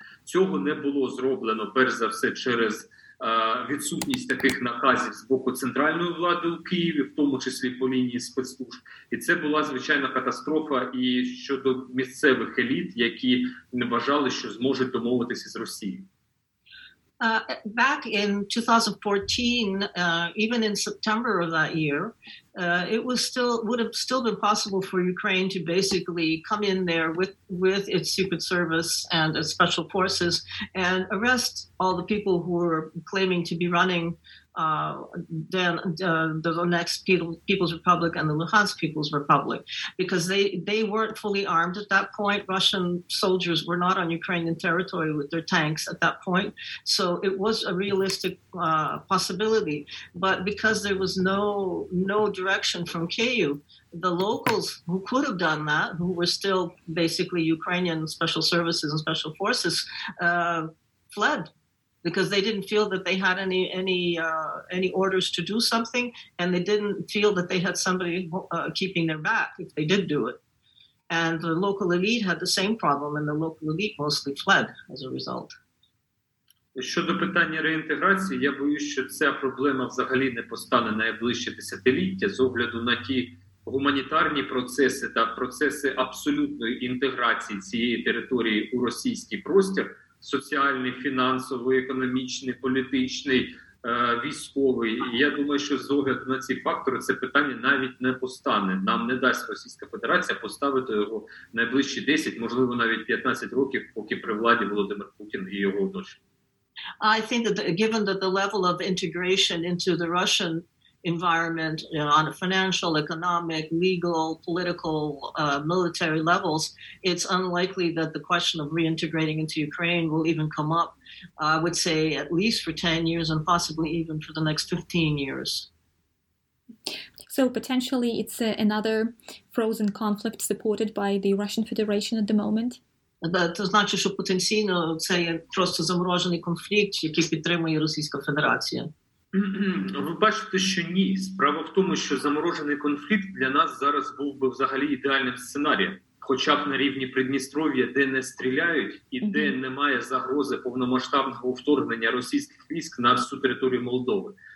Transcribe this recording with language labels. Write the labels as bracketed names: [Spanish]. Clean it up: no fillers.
[Ukrainian] Цього не було зроблено, перш за все, через відсутність таких наказів з боку центральної влади у Києві, в тому числі по лінії спецслужб. І це була звичайна катастрофа і щодо місцевих еліт, які не бажали, що зможуть домовитися з Росією. [English] Back in 2014, even in September of that year, it would have still been possible for Ukraine to basically come in there with its secret service and its special forces and arrest all the people who were claiming to be running the Donetsk People's Republic and the Luhansk People's Republic, because they weren't fully armed at that point. Russian soldiers were not on Ukrainian territory with their tanks at that point. So it was a realistic possibility. But because there was no direction from KU, the locals who could have done that, who were still basically Ukrainian special services and special forces, fled. Because they didn't feel that they had any orders to do something, and they didn't feel that they had somebody keeping their back if they did do it. And the local elite had the same problem, and the local elite mostly fled as a result. [Ukrainian] Щодо питання реінтеграції, я боюсь, що ця проблема взагалі не постане найближче десятиліття з огляду на ті гуманітарні процеси та процеси абсолютної інтеграції цієї території у російський простір. Соціальний, фінансовий, економічний, політичний, військовий. І я думаю, що з огляду на ці фактори це питання навіть не постане. Нам не дасть Російська Федерація поставити його найближчі 10, можливо, навіть 15 років, поки при владі Володимир Путін і його оточення. [English] I think that given that the level of integration into the Russian environment, you know, on a financial, economic, legal, political, military levels, it's unlikely that the question of reintegrating into Ukraine will even come up, I would say, at least for 10 years and possibly even for the next 15 years. So potentially it's another frozen conflict supported by the Russian Federation at the moment? [Ukrainian] Це значить, що потенційно це є просто заморожений конфлікт, який підтримує Російська Федерація. Ви бачите, що ні. Справа в тому, що заморожений конфлікт для нас зараз був би взагалі ідеальним сценарієм. Хоча б на рівні Придністров'я, де не стріляють і де немає загрози повномасштабного вторгнення російських військ на всю територію Молдови.